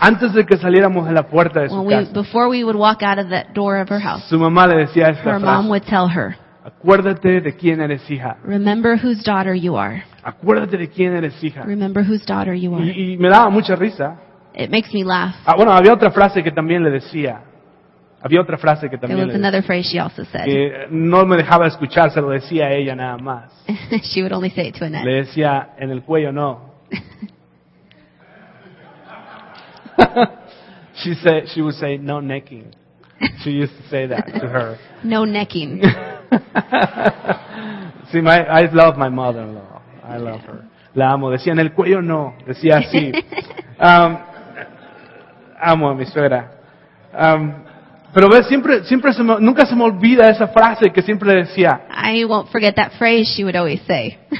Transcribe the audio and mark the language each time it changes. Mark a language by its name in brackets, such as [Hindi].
[Spanish] Antes de que saliéramos de la puerta de su casa. [English] Before we would walk out of the door of her house. [Spanish] Su mamá le decía esta frase. [English] Her mom would tell her. [Spanish] Acuérdate de quién eres hija. [English] Remember whose daughter you are. [Spanish] Acuérdate de quién eres hija. [English] Remember whose daughter you are. [Spanish] Y me daba mucha risa. [English] It makes me laugh. [Spanish] Ah, bueno, había otra frase que también le decía. Había otra frase que también le decía. [English] Another phrase she also said. [Spanish] Que no me dejaba escuchar, se lo decía a ella nada más. [English] She would only say it to Annette. [Spanish] Le decía en el cuello, no. [English] she would say no necking. She used to say that to her. No necking. See, I love my mother-in-law. I love her. [Spanish] La amo. Decía en el cuello, no. Decía así. Amo a mi suegra. Pero ves, nunca se me olvida esa frase que siempre decía. [English] I won't forget that phrase she would always say.